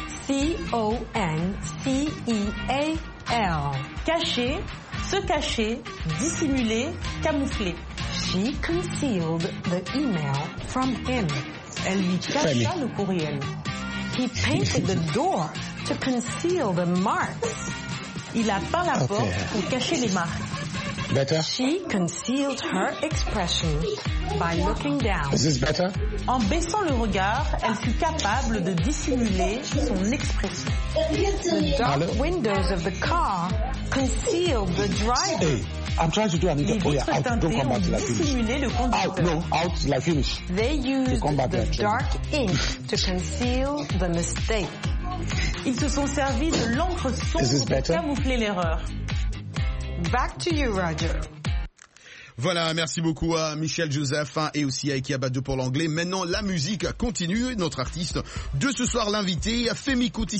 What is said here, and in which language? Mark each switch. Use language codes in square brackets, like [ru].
[fr] C-O-N-C-E-A-L. Cacher. Se cacher, dissimuler, camoufler. [en] She concealed the email from him. [fr] Elle lui cacha le courriel. [en] He painted the door to conceal the marks. [fr] Il a peint la porte pour cacher les marques. [en] Better? She concealed her expression by looking down. Is this better? [fr] En baissant le regard, elle fut capable de dissimuler son expression. [en] The dark windows of the car concealed the driver. Hey, I'm trying to do an interview. [fr] Les vitres teintées ont dissimulé le conducteur. [en] Out, no, out, like finish. They used the dark ink to conceal the mistake. [fr] Ils se sont servis de l'encre sombre pour camoufler l'erreur. [en] Back to you, Roger. [fr] Voilà, merci beaucoup à Michel Joseph et aussi à Eki Abadou pour l'anglais. Maintenant, la musique continue. Notre artiste de ce soir, l'invité, Femi Kuti.